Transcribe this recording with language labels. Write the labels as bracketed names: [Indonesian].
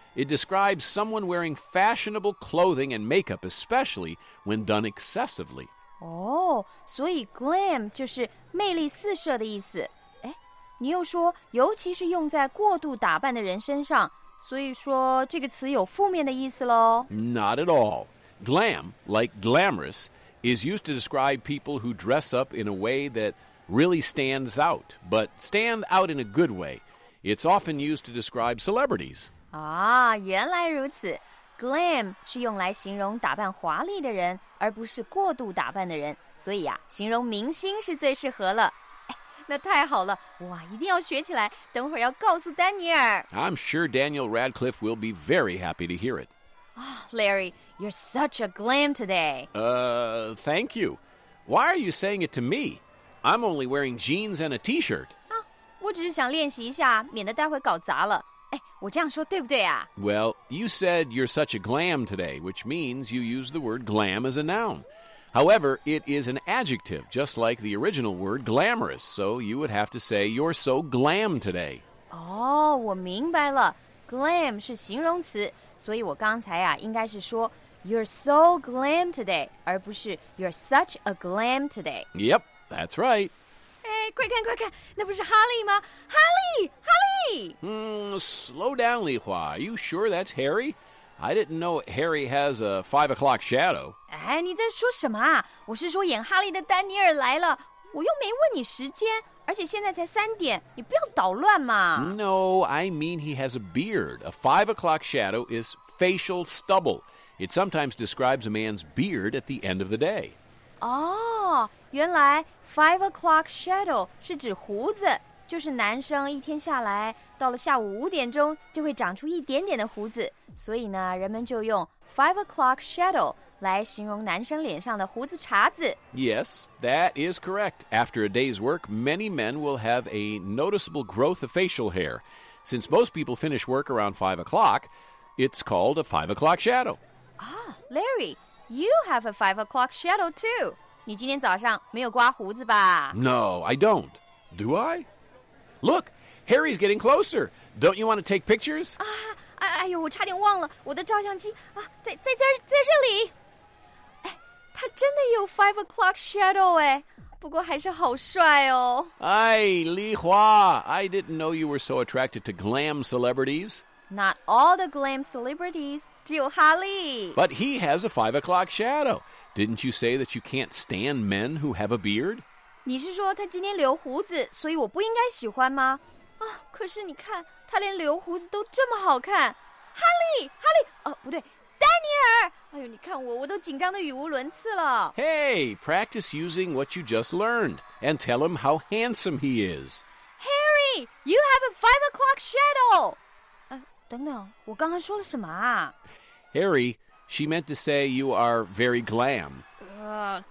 [English] It describes someone wearing fashionable clothing and makeup, especially when done excessively. [Chinese] Oh, 所以 glam 就是魅力四射的意思。哎，你又说，尤其是用在过度打扮的人身上。所以说这个词有负面的意思咯。 [English] Not at all. Glam, like glamorous, is used to describe people who dress up in a way that really stands out, but stand out in a good way. It's often used to describe celebrities. [Chinese] 啊，原来如此。 Glam 是用来形容打扮华丽的人，而不是过度打扮的人。所以啊，形容明星是最适合了。那太好了，哇，一定要学起来，等会儿要告诉丹尼尔。 [English] I'm sure Daniel Radcliffe will be very happy to hear it. Oh, Larry, you're such a glam today. Thank you. Why are you saying it to me? I'm only wearing jeans and a t-shirt. [Chinese] 啊，我只是想练习一下，免得待会搞砸了。哎，我这样说对不对啊？ [English] Well, you said you're such a glam today, which means you use the word glam as a noun. However, it is an adjective, just like the original word glamorous, so you would have to say you're so glam today. [Chinese] Oh, 我明白了。Glam 是形容词，所以我刚才啊，应该是说 [English] you're so glam today, [Chinese] 而不是 [English] you're such a glam today. Yep, that's right. [Chinese] 哎，快看快看，那不是哈利吗？哈利，哈利！ [English] Slow down, Li Hua. Are you sure that's Harry? I didn't know Harry has a 5 o'clock shadow. [Chinese] 哎，你在说什么啊？我是说演哈利的丹尼尔来了。我又没问你时间，而且现在才三点，你不要捣乱嘛。 [English] No, I mean he has a beard. A 5 o'clock shadow is facial stubble. It sometimes describes a man's beard at the end of the day. [Chinese] 哦，原来 5 o'clock shadow 是指胡子，就是男生一天下来到了下午五点钟就会长出一点点的胡子，所以呢，人们就用 5 o'clock shadow来形容男生脸上的胡子茬子。 [English] Yes, that is correct. After a day's work, many men will have a noticeable growth of facial hair. Since most people finish work around 5 o'clock, it's called a 5 o'clock shadow. Ah, Larry, you have a 5 o'clock shadow too. [Chinese] 你今天早上没有刮胡子吧? [English] No, I don't. Do I? Look, Harry's getting closer. Don't you want to take pictures? [Chinese] 哎呦，我差点忘了我的照相机啊，在这里。哎，他真的有 five o'clock shadow 哎，不过还是好帅哦。 [English] 哎，丽华 ，I didn't know you were so attracted to glam celebrities. Not all the glam celebrities, [Chinese] 只有哈利。 [English] But he has a 5 o'clock shadow. Didn't you say that you can't stand men who have a beard? [Chinese] 你是说他今天留胡子，所以我不应该喜欢吗？啊，可是你看。他连留胡子都这么好看，哈利，哈利，哦，不对，丹尼尔。哎呦，你看我都紧张得语无伦次了。 [English] Hey, practice using what you just learned, and tell him how handsome he is. Harry, you have a 5 o'clock shadow. [Chinese] 等等，我刚刚说了什么啊 [English] ？Harry, she meant to say you are very glam.